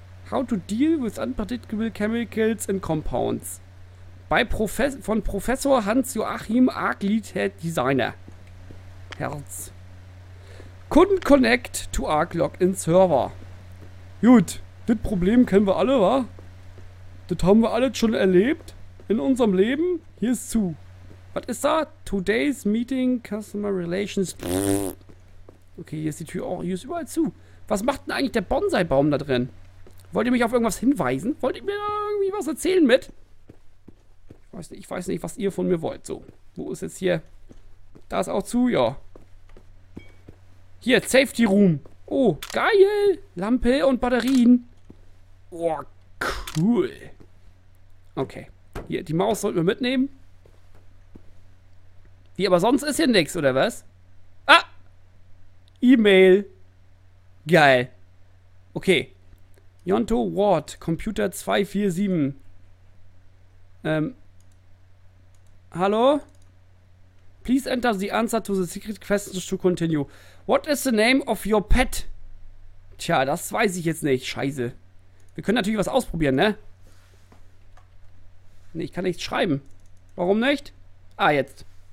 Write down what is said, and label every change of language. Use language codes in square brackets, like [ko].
[en] How to deal with unpredictable chemicals and compounds. [de] Bei von Professor Hans-Joachim Arglied, Designer. Herz. [en] Couldn't connect to Arc Login Server. [de] Gut, das Problem kennen wir alle, wa? Das haben wir alle schon erlebt in unserem Leben. Hier ist zu. Was ist da? [en] Today's Meeting Customer Relations. [de] Okay, hier ist die Tür auch. Hier ist überall zu. Was macht denn eigentlich der Bonsai-Baum da drin? Wollt ihr mich auf irgendwas hinweisen? Wollt ihr mir da irgendwie was erzählen mit? Ich weiß nicht, was ihr von mir wollt. So, wo ist jetzt hier? Da ist auch zu, ja. Hier, Safety Room. Oh, geil. Lampe und Batterien. Oh, cool. Okay. Hier, die Maus sollten wir mitnehmen. Wie, aber sonst ist hier nichts, oder was? Ah! E-Mail. Geil. Okay. Yonto Ward, Computer 247. Hallo? [en] Please enter the answer to the secret questions to continue. What is the name of your pet? [de] Tja, das weiß ich jetzt nicht. Scheiße. Wir können natürlich was ausprobieren, ne? Ne, ich kann nichts schreiben. Warum nicht? Ah, jetzt.